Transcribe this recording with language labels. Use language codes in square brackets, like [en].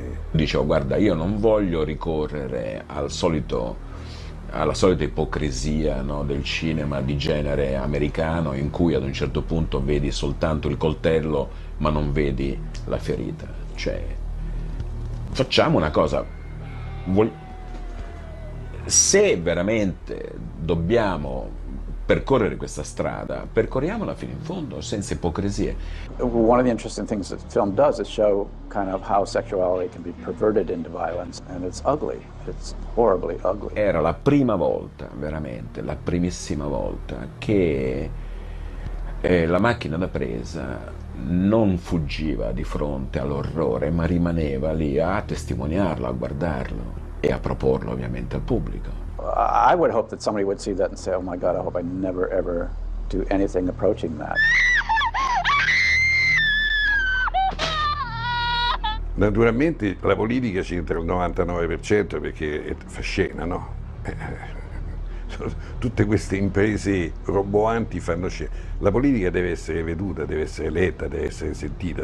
[it] Dicevo, guarda, io non voglio ricorrere alla solita ipocrisia, no, del cinema di genere americano, in cui ad un certo punto vedi soltanto il coltello ma non vedi la ferita. Cioè, facciamo una cosa. se veramente dobbiamo percorrere questa strada, percorriamola fino in fondo, senza ipocrisie. [en] One of the interesting things that the film does is show kind of how sexuality can be perverted into violence, and it's ugly, it's horribly ugly. [it] Era la prima volta, veramente, la primissima volta, che la macchina da presa non fuggiva di fronte all'orrore, ma rimaneva lì a testimoniarlo, a guardarlo e a proporlo ovviamente al pubblico. [en] I would hope that somebody would see that and say, oh my God, I hope I never ever do anything approaching that. [it] Naturalmente la politica c'entra il 99% perché è fascina, no? Tutte queste imprese roboanti fanno scena. La politica deve essere veduta, deve essere letta, deve essere sentita.